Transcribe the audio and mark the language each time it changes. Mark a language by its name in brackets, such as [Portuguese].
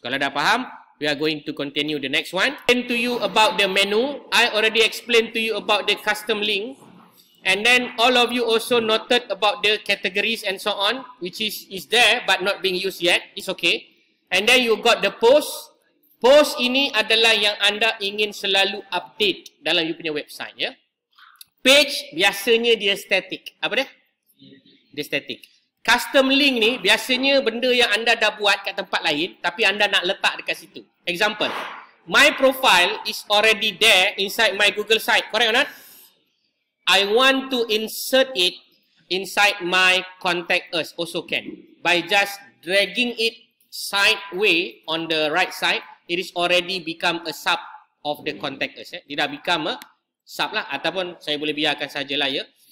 [Malay] Kalau dah faham, [English] we are going to continue the next one. Explain to you about the menu. I already explained to you about the custom link. And then all of you also noted about the categories and so on, which is there but not being used yet. It's okay. And then you got the post. [Malay] Post ini adalah yang anda ingin selalu update dalam you punya website, ya. Page biasanya dia static. Apa dia? Dia static. Custom link ni biasanya benda yang anda dah buat kat tempat lain tapi anda nak letak dekat situ. [English] Example, my profile is already there inside my Google site. Correct or not? I want to insert it inside my contact us also can. By just dragging it sideways on the right side, it is already become a sub of the contact us. Eh? It dah become a sub lah. [Malay] Ataupun saya boleh biarkan sajalah, ya.